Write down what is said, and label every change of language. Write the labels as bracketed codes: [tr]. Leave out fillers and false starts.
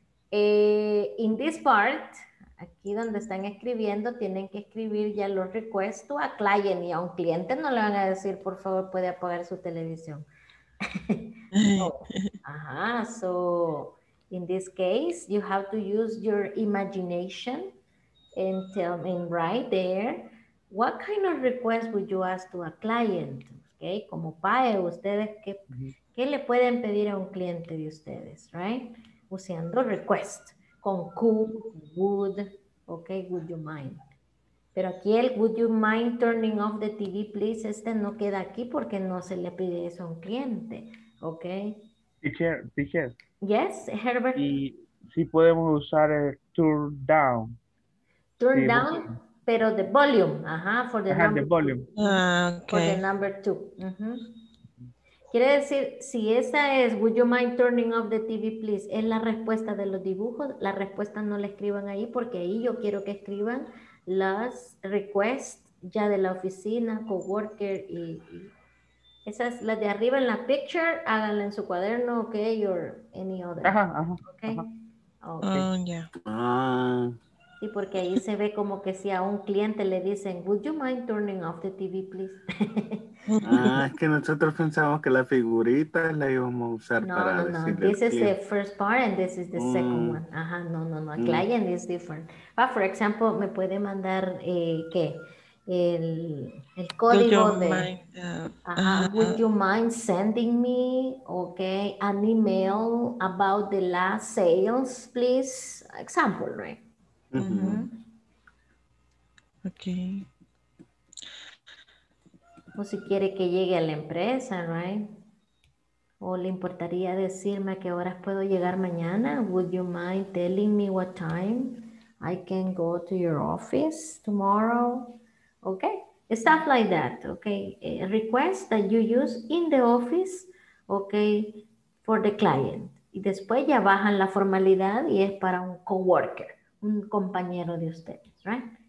[es] In this part, aquí donde están escribiendo, tienen que escribir ya los requests to a client, y a un cliente no le van a decir, por favor, puede apagar su televisión. Ajá, no. Uh-huh. [en] So, in this case, you have to use your imagination and tell me right there, what kind of request would you ask to a client? [es] Okay, como PAE, ustedes, ¿qué, qué le pueden pedir a un cliente de ustedes, right? [en] Usando request, con could, would, okay, would you mind? [es] Pero aquí el [en] would you mind turning off the TV, please, [es] este no queda aquí porque no se le pide eso a un cliente, okay? [en] Teacher. Yes, Herbert. [es] Y si podemos usar el turn down. [en] Turn sí, down, pero the volume, ajá, for the number the volume. Two. Okay. For the number two. [es] Uh-huh. Quiere decir, si esa es, [en] would you mind turning off the TV, please, [es] es la respuesta de los dibujos, la respuesta no la escriban ahí, porque ahí yo quiero que escriban las requests ya de la oficina, coworker y... Esas, las de arriba en la picture, háganla en su cuaderno, ok, [en] or any other. Ajá, ajá. Okay. Ajá. Okay. [es] Sí, porque ahí se ve como que si a un cliente le dicen, [en] would you mind turning off the TV, please? [es] Es que nosotros pensamos que la figurita la íbamos a usar no, para no, decirle. [en] No, this is the first part and this is the second one. [es] Ajá, no. [en] A client is different. But for example, [es] me puede mandar, ¿qué? El código de [en] would you mind sending me an email about the last sales, please? Example, right? Okay. [es] O si quiere que llegue a la empresa, right? O le importaría decirme a qué horas puedo llegar mañana? [en] Would you mind telling me what time I can go to your office tomorrow? Okay, stuff like that, okay? A request that you use in the office, okay, for the client. [es] Y después ya bajan la formalidad y es para un coworker, un compañero de ustedes, right?